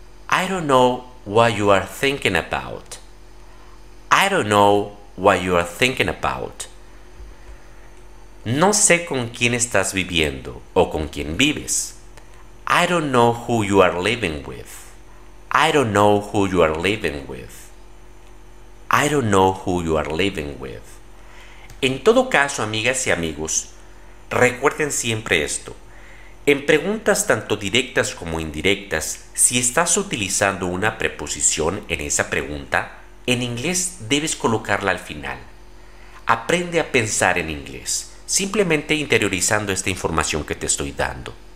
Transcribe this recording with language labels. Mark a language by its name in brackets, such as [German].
[English] I don't know what you are thinking about. I don't know what you are thinking about. [Spanish] No sé con quién estás viviendo o con quién vives. [English] I don't know who you are living with. I don't know who you are living with. I don't know who you are living with. [Spanish] En todo caso, amigas y amigos, recuerden siempre esto. En preguntas tanto directas como indirectas, si estás utilizando una preposición en esa pregunta, en inglés debes colocarla al final. Aprende a pensar en inglés, simplemente interiorizando esta información que te estoy dando.